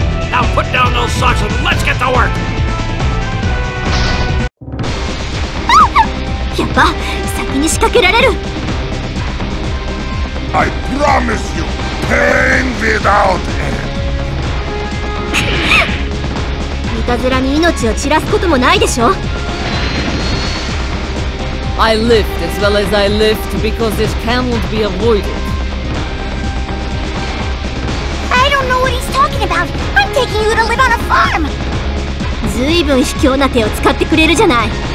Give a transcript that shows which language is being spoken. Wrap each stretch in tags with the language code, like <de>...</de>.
<en>Now put down those socks and let's get to work!</en> <ja>やば、先に仕掛けられる!</ja> <en>I promise you, pain without end!</en> <ja>いたずらに命を散らすこともないでしょ。</ja> <en>I lift as well as I lift because this cannot be avoided. I don't know what he's talking about. I'm taking you to live on a farm.</en> <ja>ずいぶん卑怯な手を使ってくれるじゃない。</ja>